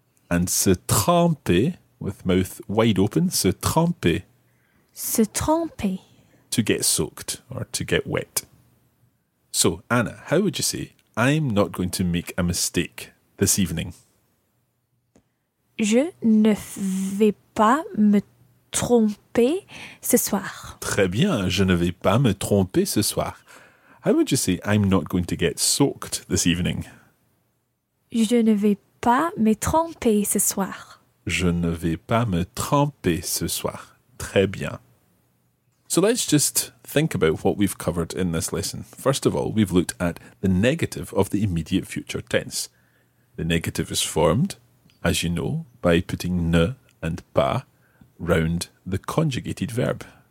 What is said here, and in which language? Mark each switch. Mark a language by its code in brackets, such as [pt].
[en] And se tremper, with mouth wide open, se tremper. [fr] Se tremper. [en] To get soaked or to get wet. So, Anna, how would you say, I'm not going to make a mistake this evening? [fr] Je ne vais pas me tromper ce soir. Très bien, je ne vais pas me tromper ce soir. [en] How would you say I'm not going to get soaked this evening? [fr] Je ne vais pas me tromper ce soir. Je ne vais pas me tromper ce soir. Très bien. [en] So let's just think about what we've covered in this lesson. First of all, we've looked at the negative of the immediate future tense. The negative is formed, as you know, by putting ne and pas round the conjugated verb.